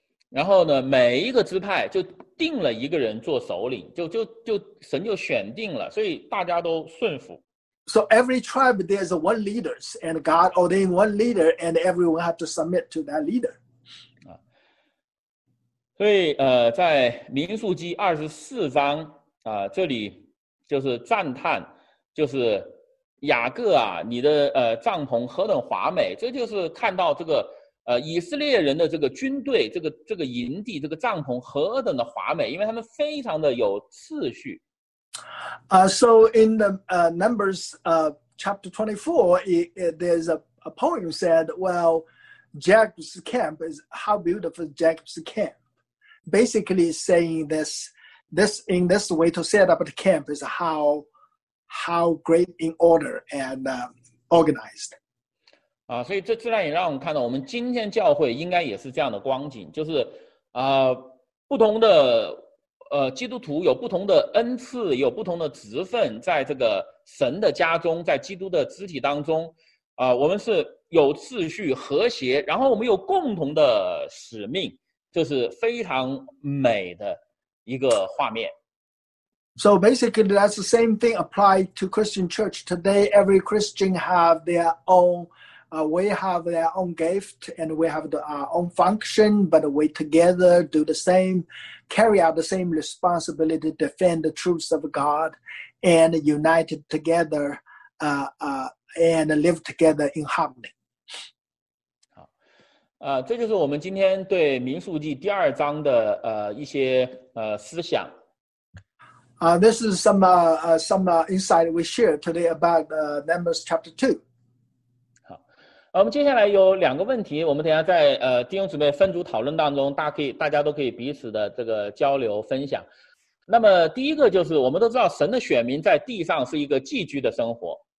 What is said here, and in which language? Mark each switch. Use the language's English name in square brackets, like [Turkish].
[Chinese] 然后呢，每一个支派就定了一个人做首领，就神就选定了，所以大家都顺服。 [English] So every tribe there's one leader, and God ordained one leader, and everyone have to submit to that leader. [Chinese] 所以在民数记二十四章这里就是赞叹，就是雅各啊，你的帐篷何等华美，这就是看到这个。以色列人的这个军队，这个营地，这个帐篷何等的华美，因为他们非常的有次序。 [English] So in the Numbers chapter 24, there's a poem said, well, Jacob's camp is how beautiful Jacob's camp. Basically saying this in this way to set up the camp is how great in order and organized. [Chinese] 所以这自然也让我们看到，我们今天教会应该也是这样的光景，就是不同的基督徒有不同的恩赐，有不同的职分，在这个神的家中，在基督的肢体当中我们是有秩序和谐，然后我们有共同的使命，这是非常美的一个画面。 [English] So basically that's the same thing applied to Christian church today. Every Christian have their ownWe have their own gift and we have our own function, but we together do the same, carry out the same responsibility to defend the truths of God and united together and live together in harmony. [Chinese] 这就是我们今天对民数记第二章的一些思想。 [English] This is some insight we shared today about Numbers chapter 2. [Chinese] 我们接下来有两个问题，我们等一下在弟兄姊妹分组讨论当中，大家都可以彼此的这个交流分享。那么第一个就是，我们都知道神的选民在地上是一个寄居的生活。